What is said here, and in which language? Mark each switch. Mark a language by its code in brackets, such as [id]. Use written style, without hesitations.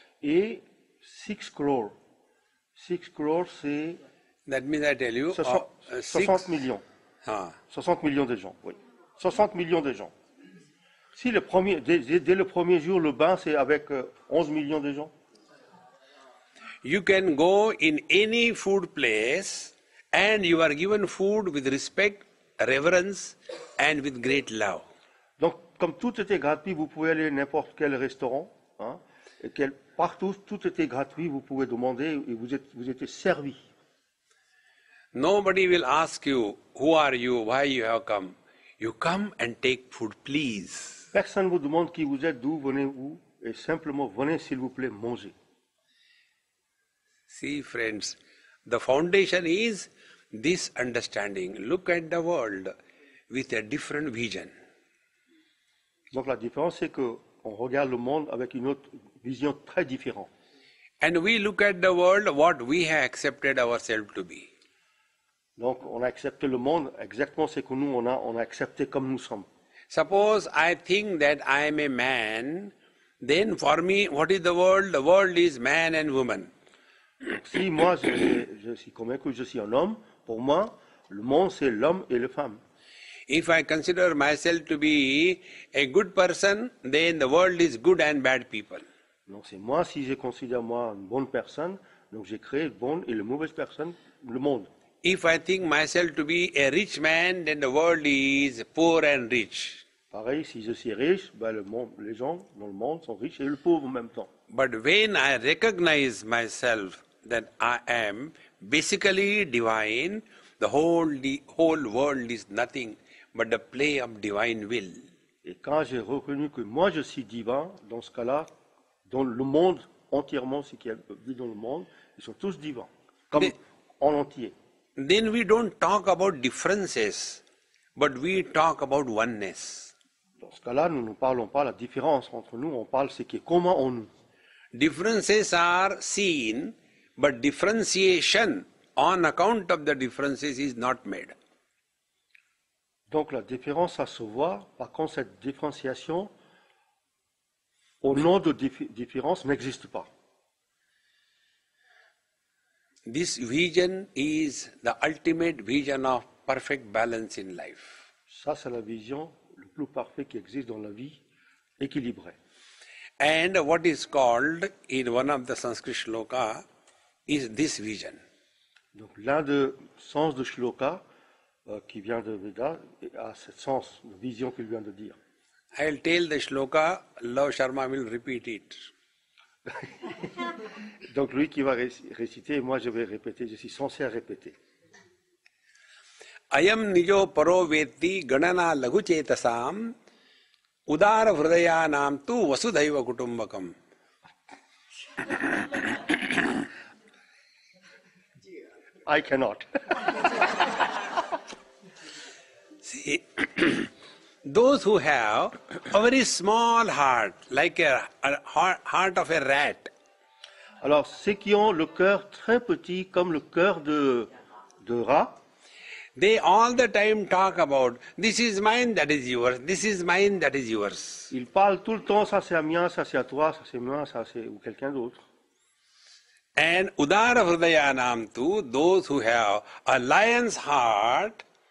[fr] Et 6 crores. 6 crores, c'est. [en] That means I tell you. 60 millions. Ah. [fr] 60 millions de gens, oui. 60 millions de gens. Si le premier, dès le premier jour, le bain, c'est avec 11 millions de gens. [en] You can go in any food place. And you are given food with respect, reverence, and with great love. [fr] Donc, comme tout était gratuit, vous pouvez aller n'importe quel restaurant, hein, et quel, partout, tout était gratuit, vous pouvez demander, et vous étiez servi. [en] Nobody will ask you, who are you, why you have come. You come and take food, please. [fr] Personne ne vous demande qui vous êtes, d'où venez-vous, et simplement, venez, s'il vous plaît, manger. [en] See, friends, the foundation is this understanding. Look at the world with a different vision. [fr] Donc la différence c'est que on regarde le monde avec une autre vision très différente. [en] And we look at the world what we have accepted ourselves to be. [fr] Donc on a accepté le monde exactement ce que nous on a accepté comme nous sommes. [en] Suppose I think that I am a man, then for me, what is the world? The world is man and woman. [fr] Si moi je suis convaincu que je suis un homme, pour moi, le monde c'est l'homme et la femme. [en] If I consider myself to be a good person, then the world is good and bad people. [fr] Donc c'est moi, si je considère moi une bonne personne, donc j'ai créé le bon et la mauvaise personne, le monde. [en] If I think myself to be a rich man, then the world is poor and rich. [fr] Pareil, si je suis riche, ben le monde, les gens dans le monde sont riches et le pauvre en même temps. [en] But when I recognize myself that I am basically divine, the whole world is nothing but the play of divine will. [fr] Et quand j'ai reconnu que moi je suis divin, dans ce cas-là, dans le monde entièrement, ce qui vit dans le monde, ils sont tous divins, comme en entier. [en] Then we don't talk about differences, but we talk about oneness. [fr] Dans ce cas-là, nous ne parlons pas la différence entre nous, on parle ce qui est commun en nous. [en] Differences are seen, but differentiation on account of the differences is not made. [fr] Donc la différence ça se voit, par contre cette différenciation au nom de différence n'existe pas. [en] This vision is the ultimate vision of perfect balance in life. [fr] Ça, c'est la vision le plus parfait qui existe dans la vie, équilibrée. [en] And what is called in one of the Sanskrit shloka is this vision. [fr] Donc l'un des sens de shloka qui vient de Veda a ce sens, la vision qu'il vient de dire. [en] I'll tell the shloka, Lav Sharma will repeat it. [fr] Donc lui qui va réciter, moi je vais répéter, je suis censé répéter. [sa] Ayam nijo paro veti ganana lagu chetasam udar vridayanam tu vasudhaiva kutumbakam. [en] I cannot. See, those who have a very small heart, like a heart of a rat. [fr] Alors, ceux qui ont le cœur très petit, comme le cœur de rat. [en] They all the time talk about, this is mine, that is yours, this is mine, that is yours. [fr] Ils parlent tout le temps, ça c'est à mien, ça c'est à toi, ça c'est moi, ça c'est ou quelqu'un d'autre. [en] And [sa] udara hridayanam tu, [en] those who have a lion's heart.